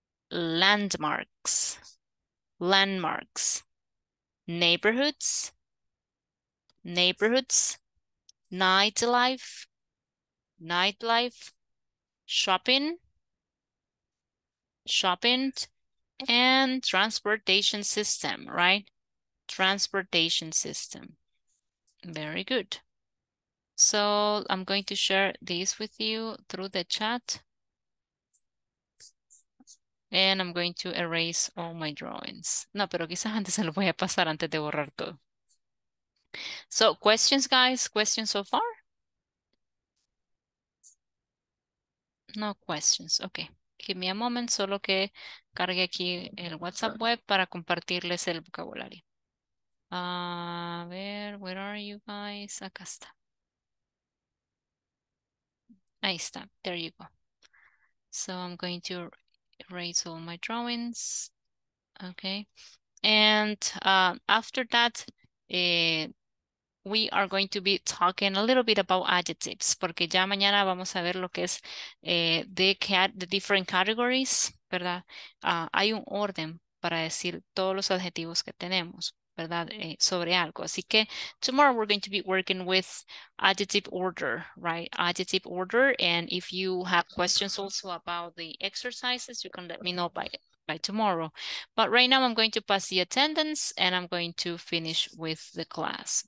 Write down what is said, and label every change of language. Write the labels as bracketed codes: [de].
[en] landmarks, neighborhoods, nightlife, shopping, and transportation system. Very good. So I'm going to share this with you through the chat. And I'm going to erase all my drawings. [es] No, pero quizás antes se los voy a pasar antes de borrar todo. [en] So, questions, guys? Questions so far? No questions. Okay. Give me a moment. [es] Solo que cargue aquí el WhatsApp web para compartirles el vocabulario. A ver, [en] where are you guys? [es] Acá está. Ahí está. [en] There you go. So, I'm going to erase all my drawings. Okay. And after that, we are going to be talking a little bit about adjectives, [es] porque ya mañana vamos a ver lo que es [en] the different categories, ¿verdad? [es] Hay un orden para decir todos los adjetivos que tenemos, ¿verdad? Sobre algo. Así que [en] tomorrow we're going to be working with adjective order, right? Adjective order. And if you have questions also about the exercises, you can let me know by tomorrow. But right now I'm going to pass the attendance and I'm going to finish with the class.